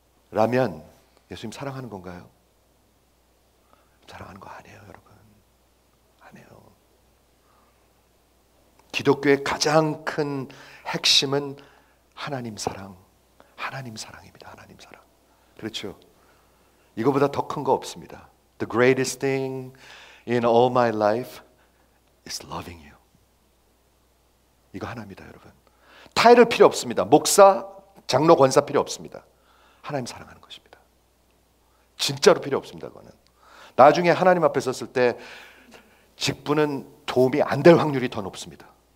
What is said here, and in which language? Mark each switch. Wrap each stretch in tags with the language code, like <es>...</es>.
<ko>라면 예수님 사랑하는 건가요? 사랑하는 거 아니에요, 여러분. 아니에요. 기독교의 가장 큰 핵심은 하나님 사랑. 하나님 사랑입니다. 하나님 사랑. 그렇죠? 이거보다 더 큰 거 없습니다.</ko> <en>The greatest thing in all my life is loving you.</en> <ko>이거 하나입니다, 여러분. 타이틀 필요 없습니다. 목사, 장로, 권사 필요 없습니다. 하나님 사랑하는 것입니다. 진짜로 필요 없습니다, 그거는. 나중에 하나님 앞에 섰을 때 직분은 도움이 안 될 확률이 더 높습니다.</ko>